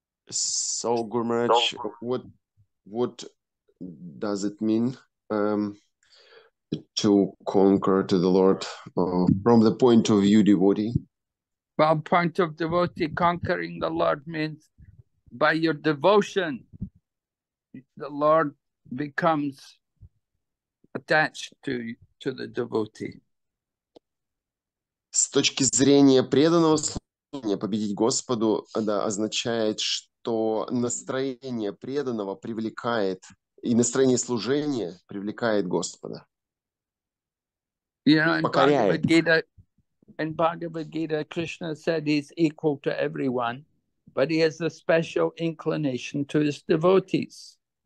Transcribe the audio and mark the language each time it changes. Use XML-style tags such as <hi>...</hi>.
<en>So, Gurmaraj, what does it mean to conquer to the Lord from the point of view devotee? Well, point of devotee, conquering the Lord means by your devotion, the Lord becomes attached to the devotee.</en> <ru>С точки зрения преданного служения, победить Господу означает, что то настроение преданного привлекает, и настроение служения привлекает Господа.</ru> <en>You know, in Bhagavad Gita, Krishna said he's equal to everyone, but he has a special inclination to his devotees.</en>